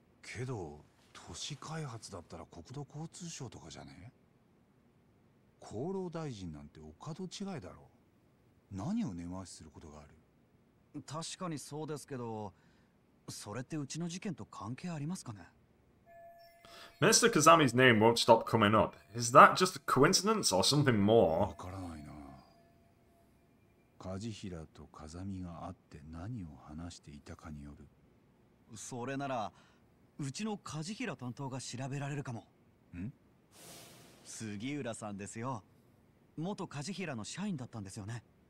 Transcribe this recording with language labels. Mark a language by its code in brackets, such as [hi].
[ja] けど都市開発だったら国土交通省とかじゃねえ。厚労大臣なんてお門違いだろう。何を根回しすることがある。確かにそうですけど、それってうちの事件と関係ありますかね。 [en] Mr. Kazami's name won't stop coming up. Is that just a coincidence or something more? [ja] わからないな。梶平と風見が会って何を話していたかによる。それならうちの梶平担当が調べられるかも。ん？杉浦さんですよ。元梶平の社員だったんですよね。